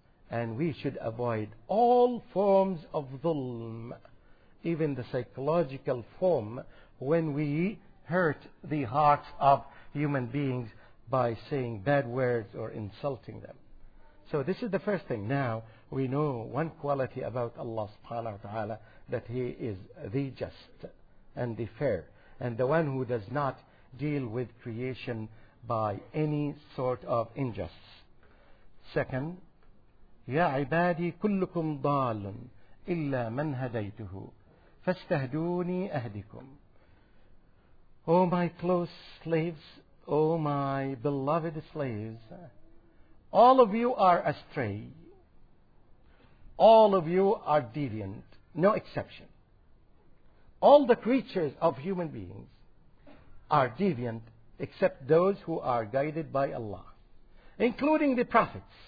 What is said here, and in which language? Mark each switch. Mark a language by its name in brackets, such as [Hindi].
[English] And we should avoid all forms of dhulm, even the psychological form, when we hurt the hearts of human beings by saying bad words or insulting them. So this is the first thing. Now we know one quality about Allah subhanahu wa ta'ala, that He is the just and the fair and the one who does not deal with creation by any sort of injustice. Second, [Arabic] يَا عِبَادِي كُلُّكُمْ ضَالٌ إِلَّا مَنْ هَدَيْتُهُ فَاسْتَهْدُونِي أَهْدِكُمْ. [English] O my close slaves, O my beloved slaves, all of you are astray. All of you are deviant, no exception. all the creatures of human beings are deviant except those who are guided by Allah, including the prophets.